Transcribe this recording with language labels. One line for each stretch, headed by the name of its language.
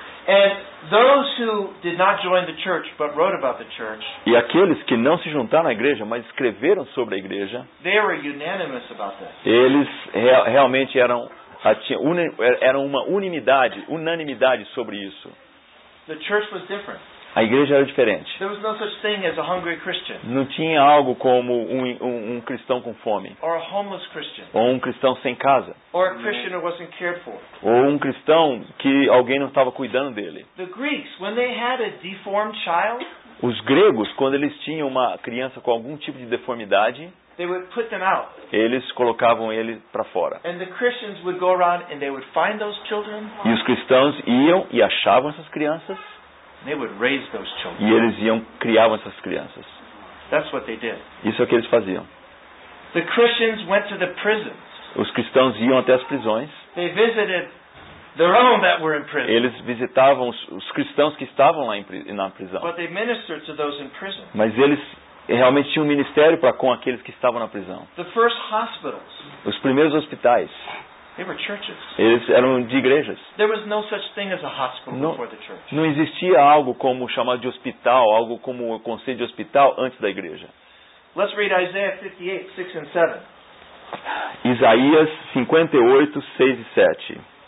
English: And those who did not join the church but wrote about the church.
Portuguese: E aqueles que não se juntaram à igreja, mas escreveram sobre a igreja.
English: They were unanimous about this.
Portuguese: Eles realmente eram uma unanimidade sobre isso.
English: The church was different.
Portuguese: A igreja era diferente.
English: There was no such thing as a hungry Christian.
Portuguese: Não tinha algo como um cristão com fome.
English: Or a homeless Christian.
Portuguese: Ou um cristão sem casa.
English: Or a Christian who wasn't cared for.
Portuguese: Ou um cristão que alguém não estava cuidando dele.
English: The Greeks, when they had a deformed child,
Portuguese: os gregos, quando eles tinham uma criança com algum tipo de deformidade,
English: they would put them out.
Portuguese: Eles colocavam ele para fora.
English: And the Christians would go around and they would find those children.
Portuguese: E os cristãos iam e achavam essas crianças.
English: They would raise those children.
Portuguese: E eles iam criavam essas crianças.
English: That's what they did.
Portuguese: Isso é o que eles faziam.
English: The Christians went to the prisons.
Portuguese: Os cristãos iam até as prisões.
English: They visited their own that were in prison.
Portuguese: Eles visitavam os cristãos que estavam lá na prisão.
English: But they ministered to those in prison.
Portuguese: Mas eles realmente tinham um ministério para com aqueles que estavam na prisão.
English: The first hospitals.
Portuguese: Os primeiros hospitais.
English: They were churches.
Portuguese: Eles eram de igrejas.
English: There was no such thing as a hospital before the church.
Portuguese: Não existia algo como chamado de hospital, algo como o conceito de hospital antes da igreja.
English: Let's read Isaiah 58, 6 and 7.
Portuguese: Isaías 58, 6 e 7.